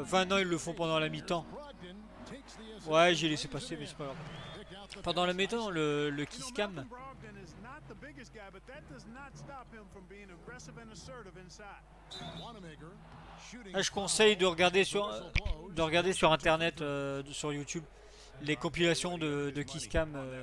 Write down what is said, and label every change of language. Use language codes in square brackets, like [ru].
[fr] Enfin, non, ils le font pendant la mi-temps. Ouais, j'ai laissé passer, mais c'est pas grave. Pendant la mi-temps, le kiss cam. [en] Brogdon is not the biggest guy, but that does not stop him from being aggressive and assertive inside. [fr] Là, je conseille de regarder sur internet, sur YouTube, les compilations de kiss cam.